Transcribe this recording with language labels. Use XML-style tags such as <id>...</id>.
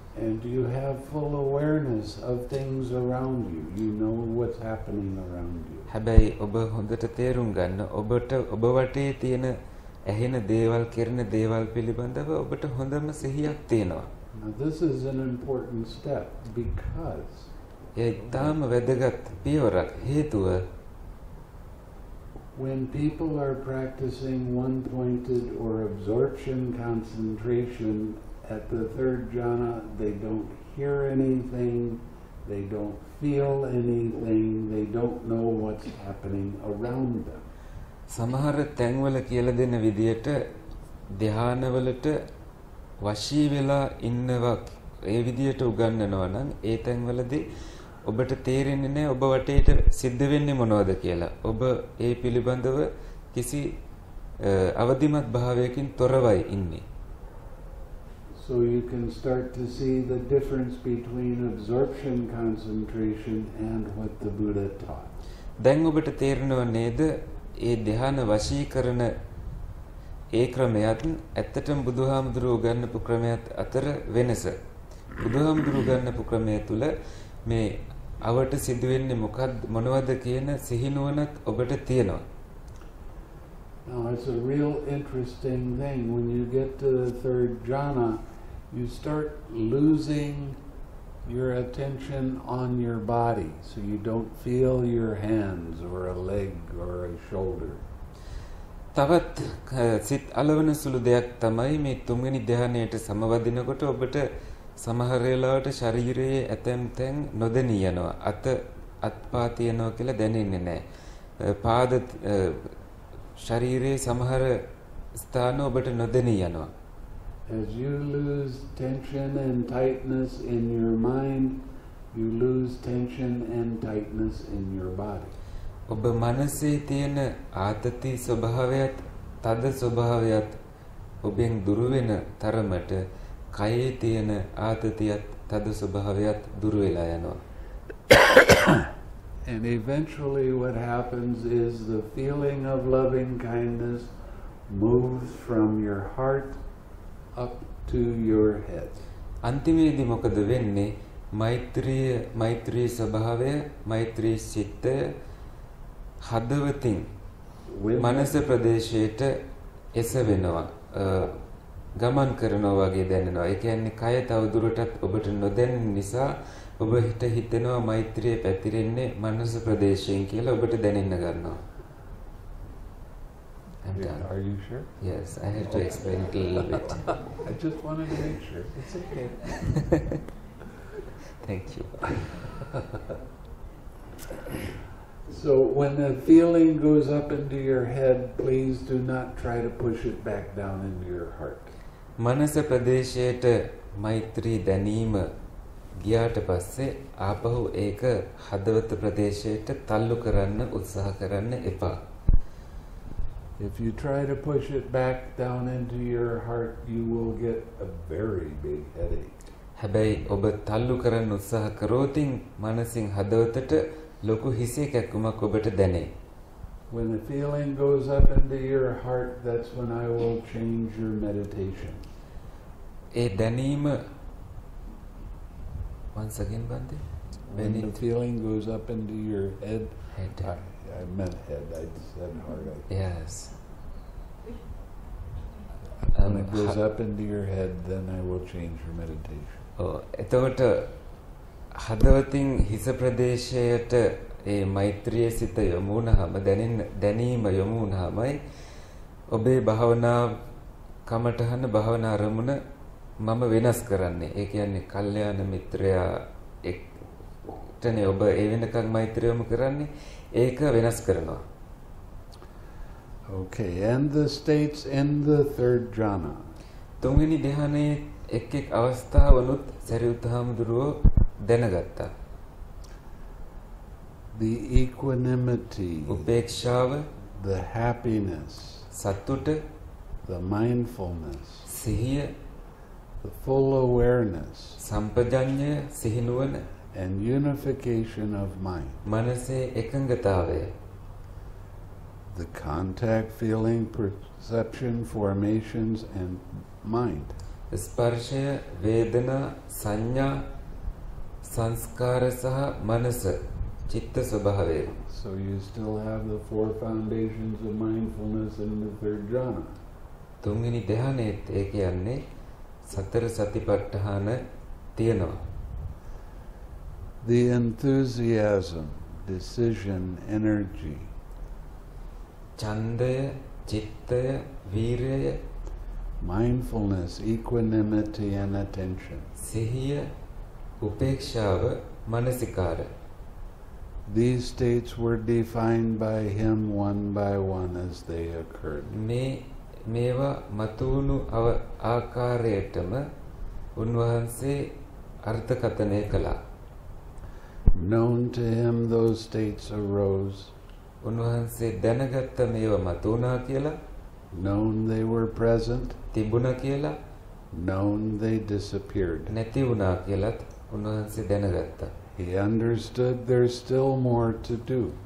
<en>And you have full awareness of things around you. You know what's happening around you.</en> <si>හැබැයි ඔබ හොඳට තේරුම් ගන්න ඔබට ඔබ වටේ තියෙන ඇහෙන දේවල් කරන දේවල් පිළිබඳව ඔබට හොඳම සිහියක් තියෙනවා.</si> <en>Now this is an important step because</en> <si>ඒකටම වැදගත් පියවරක් හේතුව</si> <en>When people are practicing one-pointed or absorption concentration At the third jhana, they don't hear anything, they don't feel anything, they don't know what's happening around them.</en> <si>සමහර තැන්වල කියලා දෙන විදිහට ධ්‍යානවලට වශී වෙලා ඉන්නවා ඒ විදිහට උගන්වනවා නම් ඒ තැන්වලදී ඔබට තේරෙන්නේ නැහැ ඔබ වටේට සිද්ධ වෙන්නේ මොනවද කියලා. ඔබ ඒ පිළිබඳව කිසි අවදිමත් භාවයකින් තොරවයි ඉන්නේ.</si> <en>So you can start to see the difference between absorption concentration and what the Buddha taught.</en> <si>දැන් ඔබට තේරෙනව නේද ඒ ධ්‍යාන වශීකරණ ඒ ක්‍රමයට ඇත්තටම බුදුහාමුදුරුව ගන්නපු ක්‍රමයට අතර වෙනස. බුදුහාමුදුරුව ගන්නපු ක්‍රමයේ තුල මේ අවට සිදුවෙන්නේ මොකක් මොනවද කියන සිහිනුවණක් ඔබට තියෙනවා.</si> <en>Now it's a real interesting thing when you get to the third jhana you start losing your attention on your body so you don't feel your hands or a leg or a shoulder</en> <si>තවත් සිත් අලවන සුළු දෙයක් තමයි මේ තුන්වෙනි ධ්‍යානයට සමවදිනකොට ඔබට සමහර වෙලාවට ශරීරයේ ඇතැම් තැන් නොදැනී යනවා අත අත්පා තියනවා කියලා දැනෙන්නේ නැහැ පාද ශරීරයේ සමහර ස්ථාන ඔබට නොදෙනී යනවා.</si> <en>As you lose tension and tightness in your mind, you lose tension and tightness in your body.</en> <si>ඔබ මනසේ තියෙන ආතති ස්වභාවයත්, තද ස්වභාවයත් ඔබෙන් දුර වෙන තරමට කයේ තියෙන ආතතියත්, තද ස්වභාවයත් දුර වෙලා යනවා.</si> <en>And eventually what happens is the feeling of loving kindness moves from your heart up to your head.</en> <si>අන්තිමේදී මොකද වෙන්නේ? මෛත්‍රී ස්වභාවය, මෛත්‍රී සිත හදවතින් මනස ප්‍රදේශයට එසවෙනවා. ගමන් කරනවා වගේ දැනෙනවා. ඒ කියන්නේ කය තවදුරටත් ඔබට නොදැනෙන නිසා ඔබ හිත හිතනවා මෛත්‍රිය පැතිරෙන්නේ මනස ප්‍රදේශයෙන් කියලා ඔබට දැනෙන්න ගන්නවා.</si> <en>Are you sure? Yes, I have to explain it a little bit. I just wanted to make sure. It's okay. Thank you. So when the feeling goes up into your head, please do not try to push it back down into your heart.</en> <si>මනස ප්‍රදේශයට මෛත්‍රී දැනීම ගියාට පස්සේ ආපහු ඒක හදවත ප්‍රදේශයට තල්ලු කරන්න උත්සාහ කරන්න එපා.</si> <en>If you try to push it back down into your heart, you will get a very big headache.</en> <si>හැබැයි ඔබ තල්ලු කරන්න උත්සාහ කරොතින් මනසින් හදවතට ලොකු හිසේ කැක්කුමක් ඔබට දැනේ.</si> <en>When the feeling goes up into your heart, that's when I will change your meditation.</en> <si>ඒ දැනීම</si> <en>Once again, Bhante. When the feeling goes up into your head. I meant head, I said heart. Yes. When it goes up into your head, then I will change your meditation.</en> <si>එතකොට හදවතින් හිස ප්‍රදේශයට ඒ මෛත්‍රියේ සිත යොමු වුණාම දැනීම යොමු වුණාමයි ඔබේ භාවනා කමටහන භාවනා අරමුණ මම වෙනස් කරන්නේ. ඒ කියන්නේ කල්යාණ මිත්‍රයා එක්තනේ ඔබ ඒ වෙනකන් මෛත්‍රියම කරන්නේ ඒක වෙනස් කරනවා.</si> <en>Okay, and the states in the third jhana.</en> <si>තුන්වෙනි ධ්‍යානයේ එක් එක් අවස්ථාවලුත් සරිඋත්හාමුදුරුව දැනගත්තා.</si> <en>The equanimity.</en> <si>උපේක්ෂාව.</si> <en>The happiness.</en> <si>සතුට.</si> <en>The mindfulness.</en> <si>සිහිය.</si> <en>The full awareness.</en> <si>සම්පජඤ්ඤය සිහිනුවන.</si> <en>And unification of mind.</en> <si>මනසේ එකඟතාවය.</si> <en>The contact, feeling, perception, formations, and mind.</en> <si>ස්පර්ශය, වේදනා, සංඥා, සංස්කාර සහ මනස, චිත්ත ස්වභාවය.</si> <en>So you still have the four foundations of mindfulness in the third jhana.</en> <si>තුන්වෙනි ධ්‍යානෙත් ඒ කියන්නේ සතර සතිපට්ඨාන තියෙනවා.</si> <en>The enthusiasm, decision, energy.</en> <si>ඡන්දය, චිත්තය, වීරය,</si> <en>mindfulness, equanimity and attention.</en> <si>සිහිය, උපේක්ෂාව, මනසිකාර.</si> <en>These states were defined by him one by one as they occurred.</en> <si>මේවා මතුණු ආකාරයටම උන්වහන්සේ අර්ථකථනය කළා.</si> <en>Known to him, those states arose.</en> <si>උන්වහන්සේ දැනගත්ත මේවා මතුණා කියලා.</si> <en>Known they were present.</en> <si>තිබුණා කියලා.</si> <en>Known they disappeared.</en> <si>නැති වුණා කියලාත් උන්වහන්සේ දැනගත්තා.</si> <en>He understood there's still more to do.</en>